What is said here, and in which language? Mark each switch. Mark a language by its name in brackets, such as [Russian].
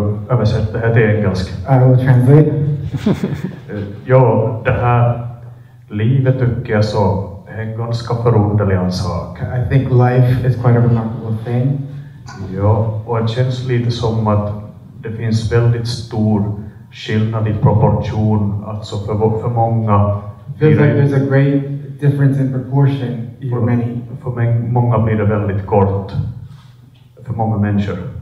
[Swedish] Översätta det till engelska. [English] I will translate. [Swedish] Ja, det här livet tycker jag så är en ganska förunderlig sak. [English] I think life is quite a remarkable thing. [Swedish] Ja, och det känns lite som att det finns väldigt stor skillnad i proportion, alltså för många. [English] Feels like there's a great difference in proportion for many. [Swedish] För många blir det väldigt kort, för många människor.